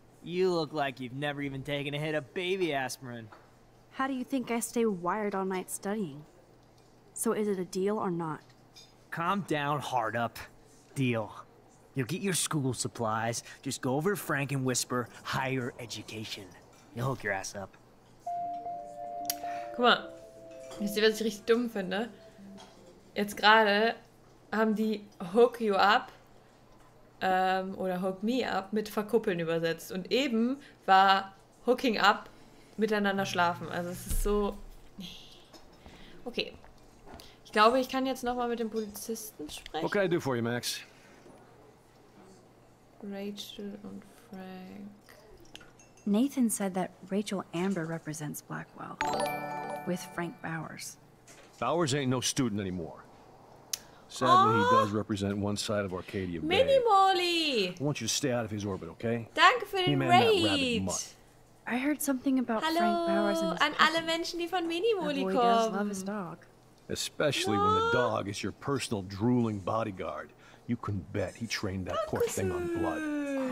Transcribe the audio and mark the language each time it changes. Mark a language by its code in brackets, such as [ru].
[en] You look like you've never even taken a hit of baby aspirin. How do you think I stay wired all night studying? So is it a deal or not? Calm down, hard up. Deal. You'll get your school supplies, just go over to Frank and whisper, higher education. You'll hook your ass up. [de] Guck mal, wisst ihr, was ich richtig dumm finde? Jetzt gerade haben die [en] hook you up [de] oder [en] hook me up [de] mit verkuppeln übersetzt. Und eben war hooking up miteinander schlafen. Also es ist so... Okay. Ich glaube, ich kann jetzt nochmal mit dem Polizisten sprechen. [en] What can I do for you, Max? [de] Rachel und Frank. [en] Nathan said that Rachel Amber represents Blackwell with Frank Bowers. Bowers ain't no student anymore. Sadly, he does represent one side of Arcadia Bay. [de] Mini Molly! [en] I want you to stay out of his orbit, okay? [de] Danke für den Raid! [en] I heard something about [de] Hallo [en] Frank Bowers and [de] an alle Menschen, die von Mini Molly kommen. [en] Love his dog. Especially when the dog is your personal drooling bodyguard. You can bet he trained that poor thing on blood.